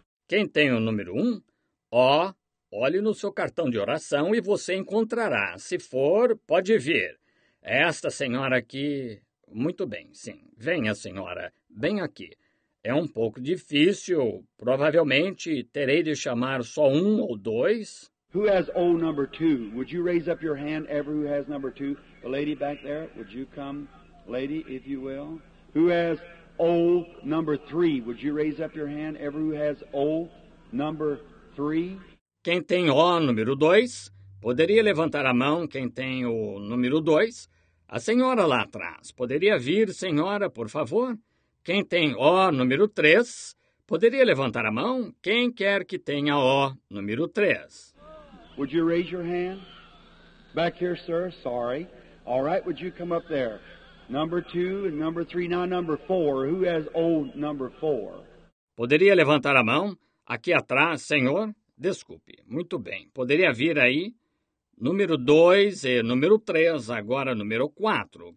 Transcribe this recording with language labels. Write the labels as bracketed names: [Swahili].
[Portuguese] Quem tem o número um? Oh, olhe no seu cartão de oração e você encontrará. Se for, pode vir. Esta senhora aqui... Muito bem, sim. Venha, senhora. Bem aqui. É um pouco difícil. Provavelmente terei de chamar só um ou dois. [English] Who has O number two? Would you raise up your hand, every who has number two? The lady back there, would you come? Lady, if you will. Who has O number three? Would you raise up your hand, every who has O number... [Portuguese] Quem tem O número 2, poderia levantar a mão quem tem o número 2? A senhora lá atrás, poderia vir, senhora, por favor? Quem tem O número 3, poderia levantar a mão? Quem quer que tenha O número 3? [English] Would you raise your hand? Back here, sir, sorry. All right, would you come up there? Number 2 and number 3, now number 4. Who has O number 4? [Portuguese] Poderia levantar a mão? Aqui atrás, senhor? Desculpe. Muito bem. Poderia vir aí? Número 2 e número 3, agora número 4.